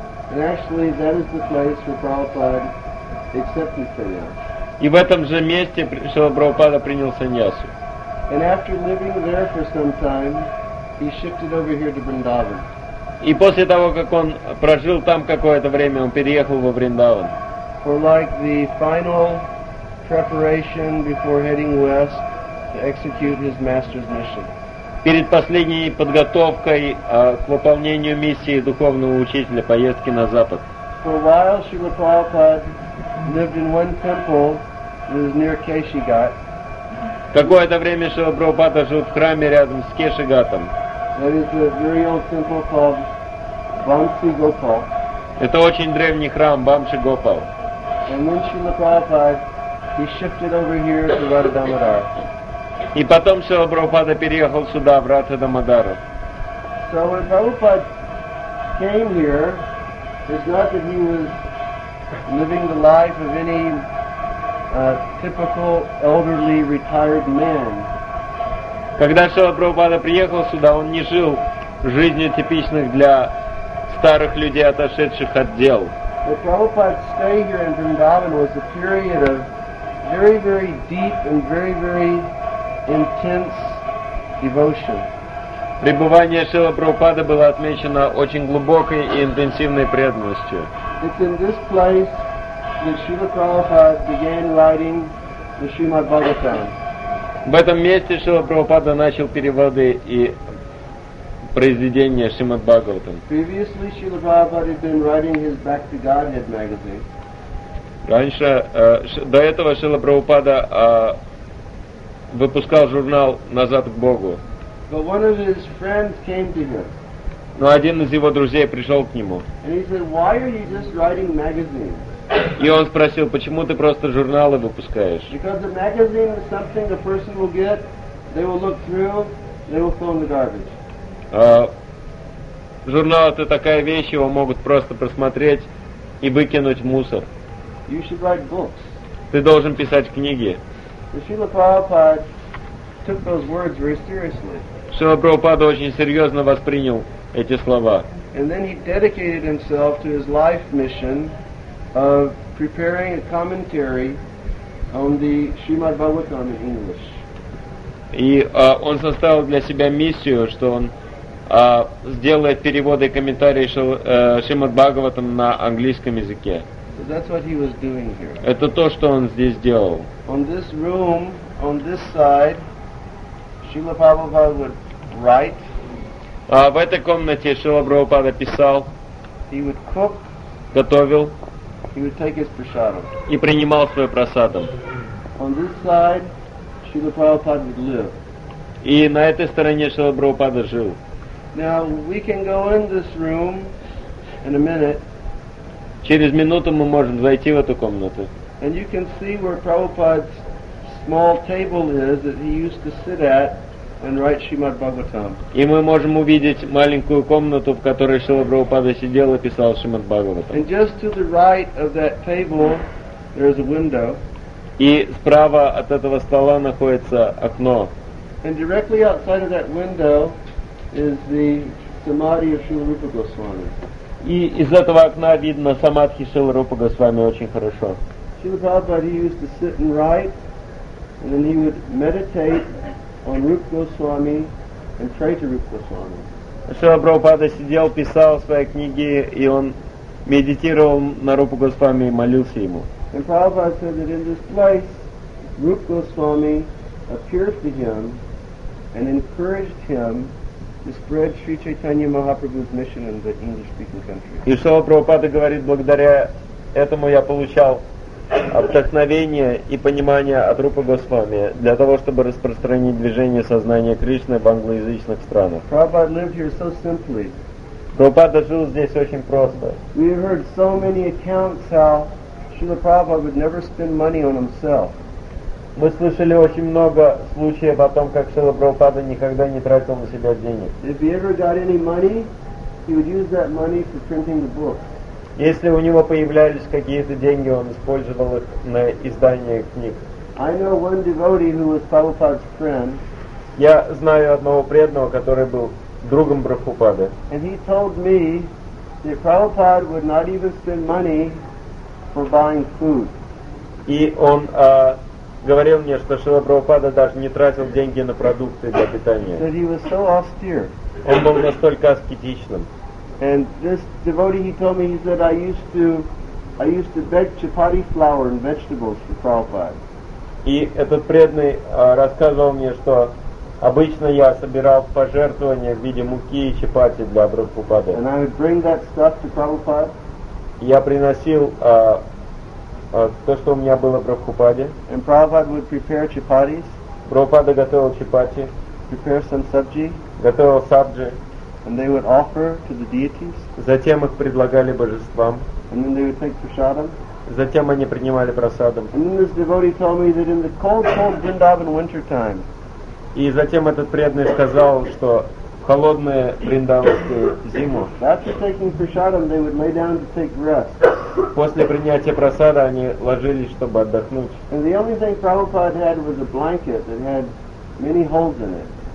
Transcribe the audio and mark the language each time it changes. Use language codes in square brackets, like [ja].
[en] And actually that is the place where Prabhupada accepted sannyas. [ru] И в этом же месте Шрила Прабхупада принял саньясу. [en] And after living there for some time, he shifted over here to Vrindavan. [ru] И после того, как он прожил там какое-то время, он переехал во Вриндаван. [en] For like the final preparation before heading west to execute his master's mission. [ru] Перед последней подготовкой к выполнению миссии духовного учителя поездки на запад. [en] For a while, Srila Prabhupada lived in one temple that was near Keshigat. [ru] Какое-то время Шрила Прабхупада жил в храме рядом с Кешигатом. [en] That is a very old temple called Bamsi Gopal. [ru] Это очень древний храм Бамши Гопал. [en] And then Srila Prabhupada, he shifted over here to Radha-Damodara. [ru] И потом Шрила Прабхупада переехал сюда, в Радха-Дамодару. [en] So when Prabhupada came here, it's not that he was living the life of any typical elderly retired man. [ru] Когда Шрила Прабхупада приехал сюда, он не жил жизнью типичных для старых людей, отошедших от дел. [en] The Prabhupada's stay here in Vrindavan was a period of very, very deep and very, very intense devotion. [ru] Пребывание Шрила Прабхупада было отмечено очень глубокой и интенсивной преданностью. [en] It's in this place that Srila Prabhupada began writing the Srimad Bhagavatam. [ru] В этом месте Шрила Прабхупада начал переводы и произведения Шримад Бхагаватам. [en] Previously Srila Prabhupada had been writing his Back to Godhead magazine. [ru] Раньше, до этого Шрила Прабхупада выпускал журнал «Назад к Богу». [en] But one of his friends came to him. [ru] Но один из его друзей пришел к нему. [en] And he said, why are you just writing magazines? [ru] И он спросил, почему ты просто журналы выпускаешь? [en] Because a magazine is something a person will get, they will look through, they will throw in the garbage. [ru] Журнал — это такая вещь, его могут просто просмотреть и выкинуть в мусор. [en] You should write books. [ru] Ты должен писать книги. [en] Srila Prabhupada took those words very seriously. [ru] Шрила Прабхупада очень серьезно воспринял эти слова. [en] And then he dedicated himself to his life mission of preparing a commentary only Srimad Bhagavatam in English. [ru] И он составил для себя миссию, что он сделает переводы и комментарии Шримад Бхагаватам на английском языке. [en] So that's what he was doing here. [ru] Это то, что он здесь делал. [en] On this room, on this side, Srila Prabhupada would write. [ru] В этой комнате Шрила Прабхупада писал. [en] He would cook. [ru] Готовил. [en] He would take his prasadam. [ru] И принимал свой прасадам. [en] On this side, Srila Prabhupada would live. [ru] И на этой стороне Шрила Прабхупада жил. [en] Now we can go in this room in a minute. [ru] Через минуту мы можем зайти в эту комнату. [en] And you can see where Prabhupada's small table is that he used to sit at and write Srimad Bhagavatam. [ru] И мы можем увидеть маленькую комнату, в которой Шрила Прабхупада сидел и писал Шримад Бхагаватам. [en] And just to the right of that table there is a window. [ru] И справа от этого стола находится окно. [en] And directly outside of that window is the Samadhi of Srila Rupa Goswami. [ru] И из этого окна видно самадхи Шрилы Рупы Госвами очень хорошо. [en] Srila Prabhupada used to sit and write, and then he would meditate on Rupa Goswami and pray to Rupa Goswami. [ru] Шрила Прабхупада сидел, писал свои книги, и он медитировал на Рупу Госвами и молился ему. [en] And Prabhupada said that in this place, Rupa Goswami appeared to him and encouraged him to spread Sri Chaitanya Mahaprabhu's mission in the English-speaking country. [ru] И Шрила Прабхупада говорит, благодаря этому я получал вдохновение и понимание от Рупы Госвами для того, чтобы распространить движение сознания Кришны в англоязычных странах. [en] Prabhupada lived here so simply. [ru] Прабхупада жил здесь очень просто. [en] We heard so many accounts how Srila Prabhupada would never spend money on himself. [ru] Мы слышали очень много случаев о том, как Шрила Прабхупада никогда не тратил на себя денег. [en] If he ever got any money, he would use that money for printing the book. [ru] Если у него появлялись какие-то деньги, он использовал их на издание книг. [en] I know one devotee who was Prabhupada's friend. [ru] Я знаю одного преданного, который был другом Прабхупады. [en] And he told me that Prabhupada would not even spend money for buying food. [ru] И он говорил мне, что Шрила Прабхупада даже не тратил деньги на продукты для питания. [en] That he was so austere. [ru] Он был настолько аскетичным. [en] And this devotee, he told me, he said, I used to beg chapati flour and vegetables for Prabhupada. [ru] И этот преданный рассказывал мне, что обычно я собирал пожертвования в виде муки и чапати для Прабхупады. [en] And I would bring that stuff to Prabhupada. [ru] Я приносил то, что у меня было в Прабхупаде. [en] And Prabhupada would prepare chapatis. [ru] Прабхупада готовил чапати. [en] Prepare some sabji. [ru] Готовил сабджи. [en] And they would offer to the deities. [ru] Затем их предлагали божествам. [en] And then they would take prasadam. [ru] Затем они принимали прасадам. [en] And then this devotee told me that in the cold, cold Vrindavan winter time. [ru] И затем этот преданный сказал, что в холодную вриндаванскую зиму. [en] After taking prasadam, they would lay down to take rest. [ru] После принятия прасада они ложились, чтобы отдохнуть. [en] And the only thing Prabhupada had was a blanket that had many holes in it.